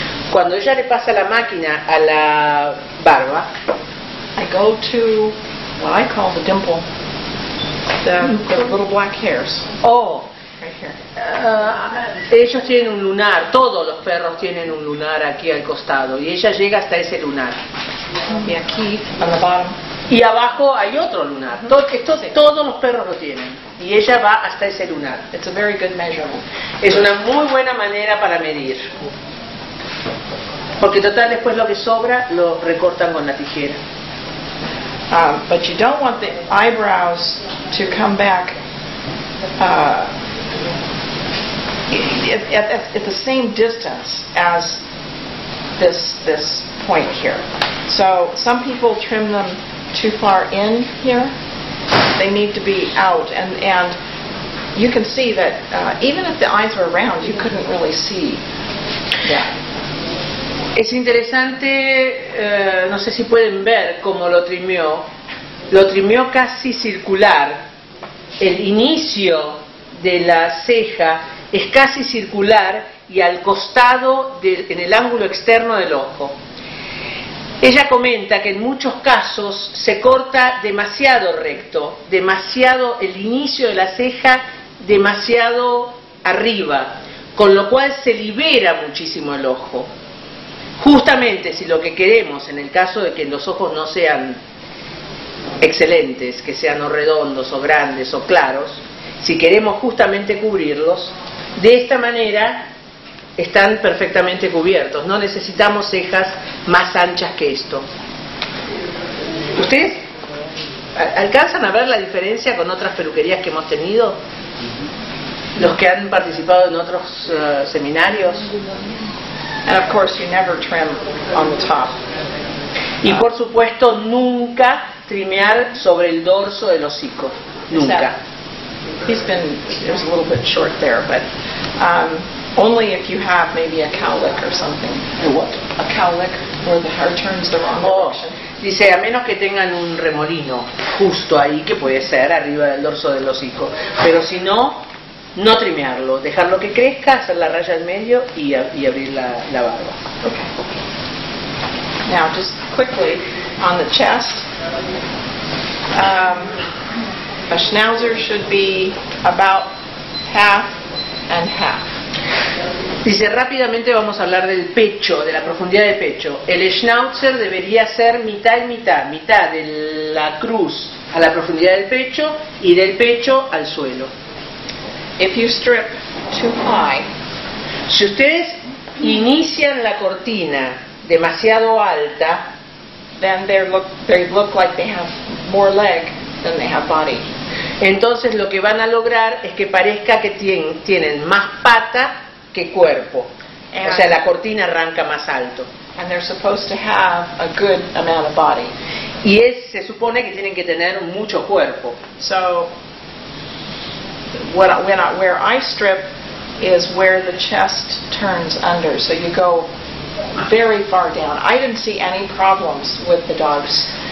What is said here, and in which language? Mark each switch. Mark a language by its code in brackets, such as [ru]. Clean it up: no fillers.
[es] cuando ella le pasa la máquina a la barba, [en] I go to what I call the dimple, the little black hairs. Oh, right here. [es] Ellos tienen un lunar. Todos los perros tienen un lunar aquí al costado, y ella llega hasta ese lunar. Y aquí, [en] on the bottom. [es] Y abajo hay otro lunar. Todos los perros lo tienen. Y ella va hasta ese lunar. [en] It's a very good measurement. [es] Es una muy buena manera para medir. Porque total, después lo que sobra lo recortan con la tijera. [en] But you don't want the eyebrows to come back at the same distance as this point here. So some people trim them too far in here. They need to be out, and you can see that even if the eyes were round, you couldn't really see. Yeah. [es] Es interesante. No sé si pueden ver cómo lo trimió. Lo trimió casi circular. El inicio de la ceja es casi circular y al costado en el ángulo externo del ojo. Ella comenta que en muchos casos se corta demasiado recto, demasiado el inicio de la ceja, demasiado arriba, con lo cual se libera muchísimo el ojo. Justamente si lo que queremos, en el caso de que los ojos no sean excelentes, que sean o redondos o grandes o claros, si queremos justamente cubrirlos, de esta manera están perfectamente cubiertos. No necesitamos cejas más anchas que esto. ¿Ustedes alcanzan a ver la diferencia con otras peluquerías que hemos tenido? Los que han participado en otros seminarios. [en] And of course you never trim on the top. [es] Y por supuesto nunca trimear sobre el dorso del hocico. Nunca. [en] He's been, it was a little bit short there, but only if you have maybe a cowlick or something. A what? A cowlick, where the hair turns the wrong direction. Oh, [es] dice, a menos que tengan un remolino justo ahí, que puede ser arriba del dorso del hocico. Pero si no, no trimearlo. Dejarlo que crezca, hacer la raya al medio y abrir la barba. [en] Okay. Now, just quickly, on the chest. A schnauzer should be about half and half. [es] Dice, rápidamente vamos a hablar del pecho, de la profundidad de pecho. El schnauzer debería ser mitad y mitad, mitad de la cruz a la profundidad del pecho y del pecho al suelo. [en] If you strip too high, [es] si ustedes inician la cortina demasiado alta, [en] then they look like they have more leg than they have body. [es] Entonces lo que van a lograr es que parezca que tienen más pata que cuerpo. And, o sea, la cortina arranca más alto. [en] And they're supposed to have a good amount of body. [es] Y es, se supone que tienen que tener mucho cuerpo. [en] So, where I strip is where the chest turns under. So you go very far down. I didn't see any problems with the dogs